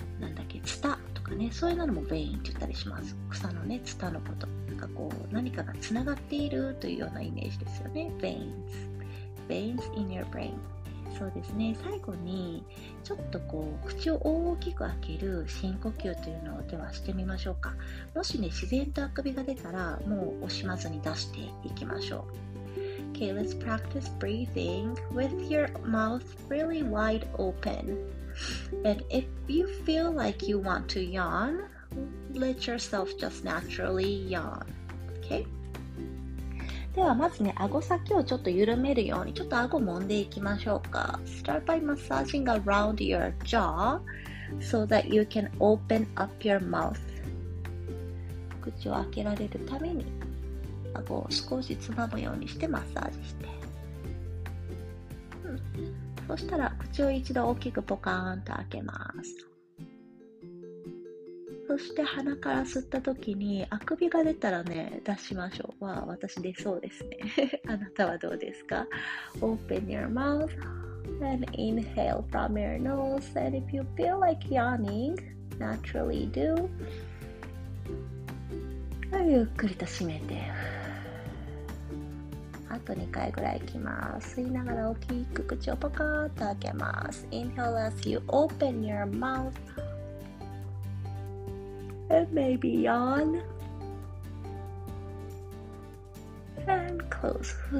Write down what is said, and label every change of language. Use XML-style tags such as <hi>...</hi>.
<ja>なんだっけ、ツタとかね、そういうのもベインって言ったりします。草のね、ツタのこと、なんかこう何かがつながっているというようなイメージですよね。</ja> <en>veins veins in your brain</en> <ja>そうですね。最後にちょっとこう口を大きく開ける深呼吸というのをではしてみましょうか。もしね、自然とあくびが出たらもう惜しまずに出していきましょう。</ja> <en>Okay, let's practice breathing with your mouth really wide openAnd if you feel like you want to yawn, let yourself just naturally yawn. Okay?</en> <ja>ではまずね、顎先をちょっと緩めるように、ちょっと顎揉んでいきましょうか。</ja> <en>Start by massaging around your jaw so that you can open up your mouth.</en> <ja>口を開けられるために、顎を少しつまむようにしてマッサージして。そしたら口を一度大きくポカーンと開けます。そして鼻から吸った時にあくびが出たらね、出しましょう。わあ、私出そうですねあなたはどうですか。</ja> <en>Open your mouth and inhale from your nose and if you feel like yawning, naturally do</en> <ja>ゆっくりと閉めて、あと2回ぐらいいきます。吸いながら大きく口をパカッと開けます。</ja> <en>Inhale as you open your mouth and maybe yawn and close.</en>